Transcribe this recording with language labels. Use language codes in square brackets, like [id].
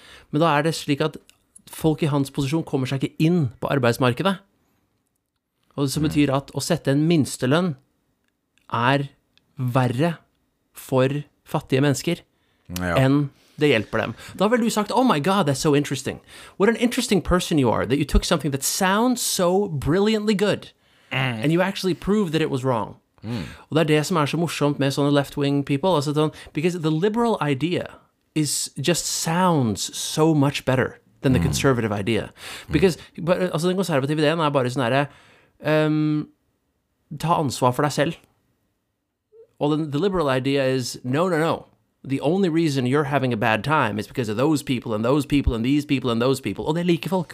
[sv] Men då är det så att folk i hans position kommer sig in på arbetsmarknaden. Och det som betyder att sätta en minstelön är värre för fattiga människor än det hjälper dem. Då har väl du sagt, [en] oh my god, that's so interesting. What an interesting person you are, that you took something that sounds so brilliantly good, and you actually proved that it was wrong. [sv] Mm. Och det är det som är så morsomt med sådana [en] left-wing people, [sv] alltså, [en] because the liberal idea is just sounds so much better than the conservative idea. Because, [sv] alltså den konservativa idén är bara sån här, ta ansvar för dig själv. Och [en] the liberal idea is, no, no, no. The only reason you're having a bad time is because of those people and those people and these people and those people. [no] Og det liker folk.